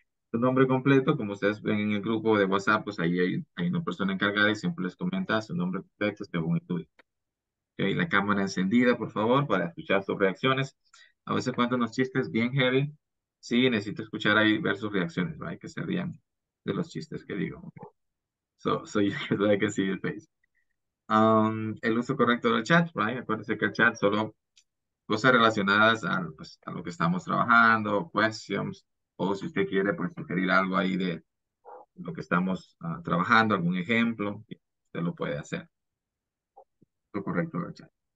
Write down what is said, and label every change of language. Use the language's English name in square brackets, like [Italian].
[Spanish] Su nombre completo, como ustedes ven en el grupo de WhatsApp, pues ahí hay una persona encargada y siempre les comenta su nombre completo, según estudio. Okay, la cámara encendida, por favor, para escuchar sus reacciones. A veces cuando unos chistes bien heavy, sí, necesito escuchar ahí, ver sus reacciones, ¿vale? Que se rían de los chistes que digo. [English] So you guys like to see your face. [Spanish] El uso correcto del chat, ¿vale? Acuérdense que el chat solo cosas relacionadas a, pues, a lo que estamos trabajando, questions, o si usted quiere, pues, sugerir algo ahí de lo que estamos trabajando, algún ejemplo, usted lo puede hacer. Lo correcto del chat.